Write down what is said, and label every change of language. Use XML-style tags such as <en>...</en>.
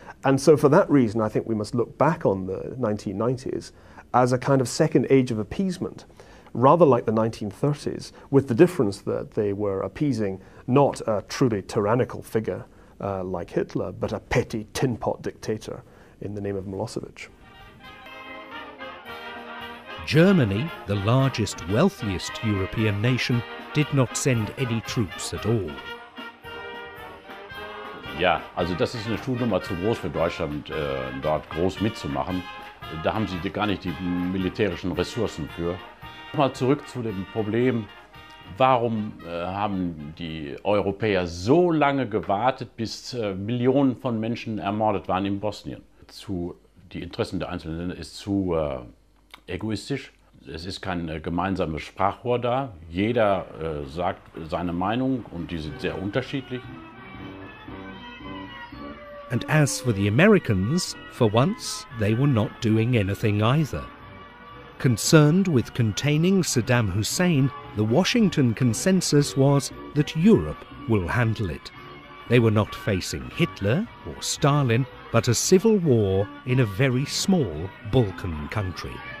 <en>And so for that reason, I think we must look back on the 1990s as a kind of second age of appeasement, rather like the 1930s, with the difference that they were appeasing not a truly tyrannical figure like Hitler, but a petty tinpot dictator in the name of Milosevic. Germany, the largest, wealthiest European nation, did not send any troops at all.</en> <de>Ja, also das ist eine Schulnummer zu groß für Deutschland, dort groß mitzumachen. Da haben sie gar nicht die militärischen Ressourcen für. Nochmal zurück zu dem Problem, warum haben die Europäer so lange gewartet, bis Millionen von Menschen ermordet waren in Bosnien? Die Interessen der einzelnen Länder ist zu egoistisch. Es ist kein gemeinsames Sprachrohr da. Jeder sagt seine Meinung und die sind sehr unterschiedlich.</de> <en>And as for the Americans, for once, they were not doing anything either. Concerned with containing Saddam Hussein, the Washington consensus was that Europe will handle it. They were not facing Hitler or Stalin, but a civil war in a very small Balkan country.</en>